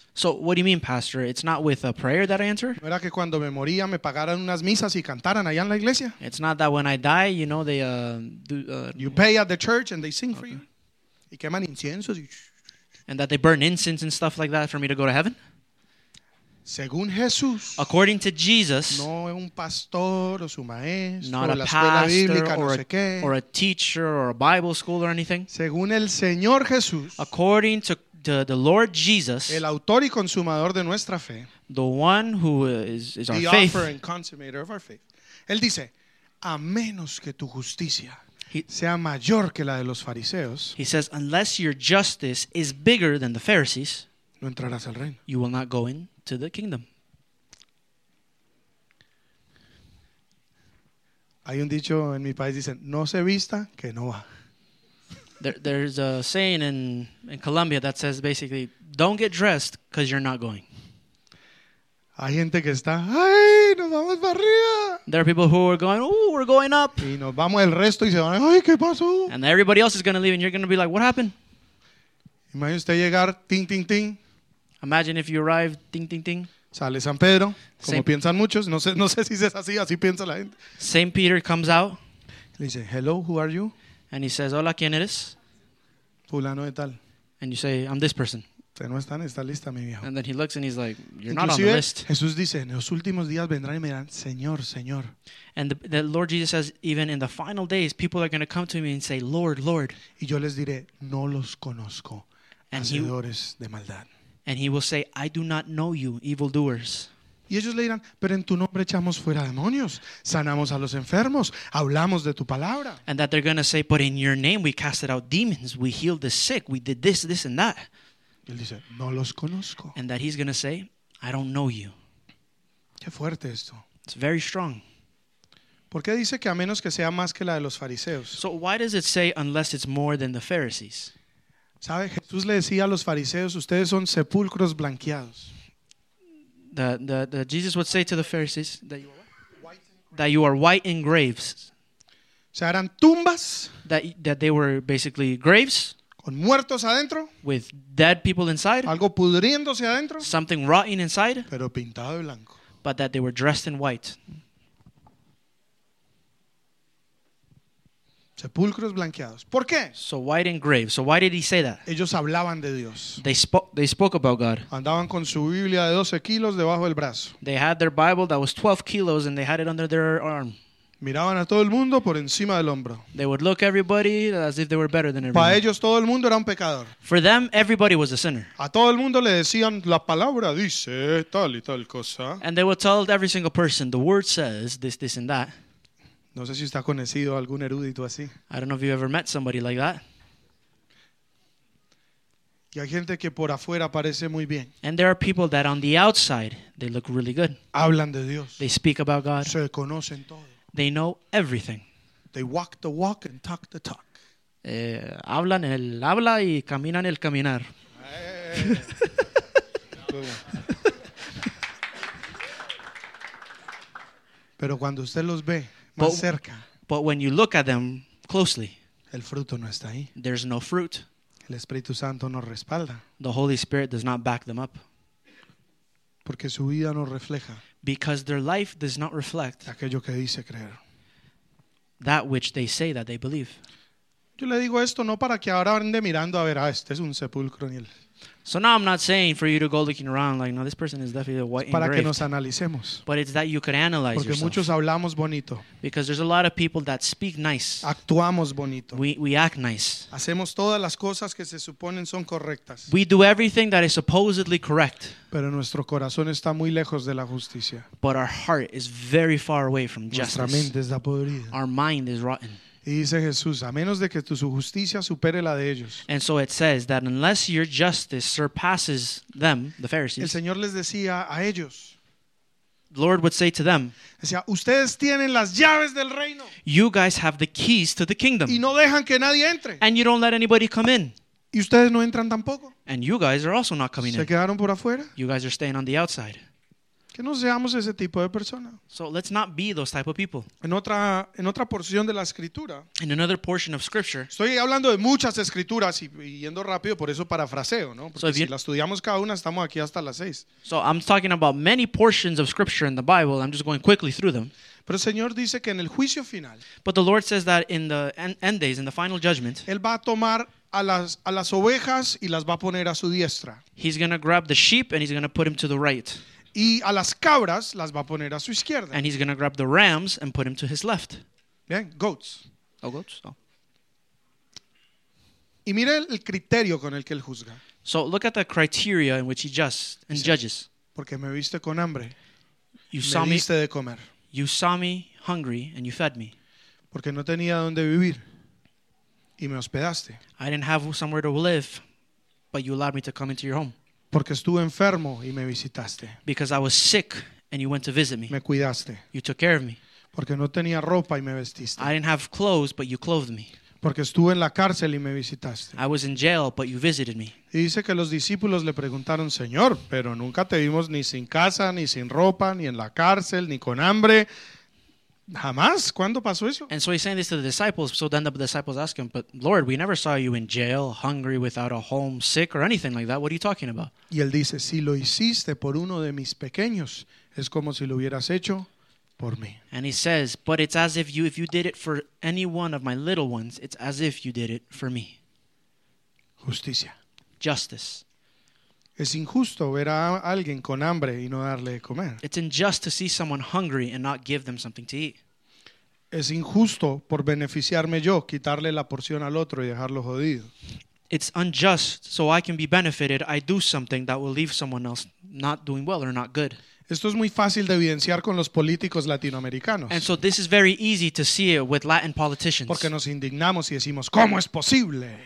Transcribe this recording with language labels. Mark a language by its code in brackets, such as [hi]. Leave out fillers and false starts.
[en] So, what do you mean, pastor? It's not with a prayer that I answer? [es] ¿No era que cuando me moría me pagaran unas misas y cantaran allá en la iglesia? [en] It's not that when I die, you know, they do... You pay at the church and they sing for you. [es] Y queman inciensos y... [en] And that they burn incense and stuff like that for me to go to heaven? [es] Según Jesús, [en] according to Jesus, [es] no es un pastor o su maestro, [en] not [es] o [en] a [es] la pastor bíblica, [en] or, [es] no sé qué. [en] Or a teacher or a Bible school or anything. [es] Según el Señor Jesús, [en] according to the Lord Jesus, [es] el autor y consumador de nuestra fe, [en] the one who is our faith, the author and consummator of our faith, [es] él dice, a menos que tu justicia sea mayor que la de los fariseos, [en] he says, unless your justice is bigger than the Pharisees, [es] no entrarás al reino. [en] You will not go into the kingdom. [es] Hay un dicho en mi país, dicen, no se vista que no va. [en] There's a saying in Colombia that says basically, don't get dressed because you're not going. [es] Hay gente que está, ay, nos vamos para arriba. [en] There are people who are going, oh, we're going up. [es] Y nos vamos el resto y se van, ay, ¿qué pasó? [en] And everybody else is going to leave and you're going to be like, what happened? [es] Imagine usted llegar, ting, ting, ting. [en] Imagine if you arrive, ting, ting, ting. [es] Sale San Pedro, como piensan muchos. No sé si es así, así piensa la gente. [en] St. Peter comes out. [es] Le dice, [en] hello, who are you? And he says, [es] hola, ¿quién eres? Fulano de tal. [en] And you say, I'm this person. [es] No está en esta lista, mi viejo. [en] And then he looks and he's like, you're not on the list. [es] Jesús dice, en los últimos días vendrán y me dirán, Señor, Señor. [en] And the Lord Jesus says, even in the final days, people are going to come to me and say, Lord, Lord. [es] Y yo les diré, no los conozco, hacedores de maldad. [en] And he will say, I do not know you, evildoers. [es] Y ellos le dirán, pero en tu nombre echamos fuera demonios, sanamos a los enfermos, hablamos de tu palabra. [en] And that they're going to say, but in your name we casted out demons, we healed the sick, we did this, this and that. [es] Y él dice, no los conozco. [en] And that he's going to say, I don't know you. [es] Qué fuerte esto. [en] It's very strong. [es] ¿Por qué dice que a menos que sea más que la de los fariseos? [en] So why does it say unless it's more than the Pharisees? [es] ¿Sabe? Jesús le decía a los fariseos, ustedes son sepulcros blanqueados. [en] The Jesus would say to the Pharisees that you are white in graves. [es] O sea, eran tumbas. [en] That they were basically graves. [es] Con muertos adentro. [en] With dead people inside. [es] Algo pudriéndose adentro. [en] Something rotting inside. [es] Pero pintado de blanco. [en] But that they were dressed in white. [es] Sepulcros blanqueados. ¿Por qué? [en] So white in graves. So why did he say that? [es] Ellos hablaban de Dios. [en] They spoke about God. [es] Andaban con su Biblia de 12 kilos debajo del brazo. [en] They had their Bible that was 12 kilos and they had it under their arm. [es] Miraban a todo el mundo por encima del hombro. [en] They would look everybody as if they were better than everybody. [es] Para ellos todo el mundo era un pecador. [en] For them, everybody was a sinner. [es] A todo el mundo le decían, la palabra dice tal y tal cosa. [en] And they would tell every single person, the word says this, this and that. [es] No sé si usted ha conocido algún erudito así. [en] I don't know if you've ever met somebody like that. [es] Y hay gente que por afuera parece muy bien. [en] And there are people that on the outside, they look really good. [es] Hablan de Dios. [en] They speak about God. [es] Se conocen todo. [en] They know everything. They walk the walk and talk the talk. [es] Hablan el habla y caminan el caminar. Hey. Pero cuando usted los ve más cerca, [en] but when you look at them closely, [es] el fruto no está ahí. [en] There's no fruit. [es] El Espíritu Santo no respalda. [en] The Holy Spirit does not back them up. [es] Porque su vida no refleja. [en] Because their life does not reflect [es] aquello que dice creer. [en] That which they say that they believe. [es] Yo le digo esto no para que ahora ande mirando a ver a este es un sepulcro ni él. [en] So now I'm not saying for you to go looking around like, no, this person is definitely white engraved. [es] Para que nos analicemos. [en] But it's that you could analyze [es] Porque [en] yourself. [es] Muchos hablamos bonito. [en] Because there's a lot of people that speak nice. [es] Actuamos bonito. [en] We act nice. [es] Hacemos todas las cosas que se suponen son correctas. [en] We do everything that is supposedly correct. [es] Pero nuestro corazón está muy lejos de la justicia. [en] But our heart is very far away from [es] Nuestra [en] justice. [es] Nuestra mente está podrida. [en] Our mind is rotten. [es] Y dice Jesús, a menos de que su justicia supere la de ellos. [en] And so it says that unless your justice surpasses them, the Pharisees. [es] El Señor les decía a ellos. [en] The Lord would say to them. [es] Decía, ustedes tienen las llaves del reino. [en] You guys have the keys to the kingdom. [es] Y no dejan que nadie entre. [en] And you don't let anybody come in. [es] Y ustedes no entran tampoco. [en] And you guys are also not coming [es] Se [en] in. [es] Se quedaron por afuera. [en] You guys are staying on the outside. [es] Que no seamos ese tipo de persona. [en] So let's not be those type of people. [es] En otra porción de la escritura. [en] In another portion of scripture. [es] Estoy hablando de muchas escrituras y yendo rápido, por eso parafraseo, ¿no? Porque si la estudiamos cada una, estamos aquí hasta las seis. [en] So I'm talking about many portions of scripture in the Bible. I'm just going quickly through them. [es] Pero el Señor dice que en el juicio final. [en] But the Lord says that in the end days, in the final judgment. [es] Él va a tomar a las ovejas y las va a poner a su diestra. [en] He's going to grab the sheep and he's going to put him to the right. [es] Y a las cabras las va a poner a su izquierda. [en] And he's going to grab the rams and put him to his left. [es] Bien, goats. [en] Oh, goats. Oh. [es] Y mire el criterio con el que él juzga. [en] So look at the criteria in which he judges. [es] Porque me viste con hambre. [en] You saw [es] diste [en] me, [es] de comer. [en] You saw me hungry and you fed me. [es] Porque no tenía donde vivir y me hospedaste. [en] I didn't have somewhere to live, but you allowed me to come into your home. [es] Porque estuve enfermo y me visitaste. [en] Because I was sick and you went to visit me. [es] Me cuidaste. [en] You took care of me. [es] Porque no tenía ropa y me vestiste. [en] I didn't have clothes, but you clothed me. [es] Porque estuve en la cárcel y me visitaste. [en] I was in jail, but you visited me. [es] Y dice que los discípulos le preguntaron, Señor, pero nunca te vimos ni sin casa, ni sin ropa, ni en la cárcel, ni con hambre. Jamás. ¿Cuándo pasó eso? [en] And so he's saying this to the disciples. So then the disciples ask him, but Lord, we never saw you in jail, hungry, without a home, sick, or anything like that. What are you talking about? [es] Y él dice, si lo hiciste por uno de mis pequeños, es como si lo hubieras hecho por mí. [en] And he says, but it's as if you did it for any one of my little ones, it's as if you did it for me. [es] Justicia. [en] Justice. [es] Es injusto ver a alguien con hambre y no darle de comer. [en] It's unjust to see someone hungry and not give them something to eat. [es] Es injusto por beneficiarme yo, quitarle la porción al otro y dejarlo jodido. [en] It's unjust so I can be benefited, I do something that will leave someone else not doing well or not good. [es] Esto es muy fácil de evidenciar con los políticos latinoamericanos. [en] And so this is very easy to see it with Latin politicians. [es] Porque nos indignamos y decimos, ¿cómo es posible?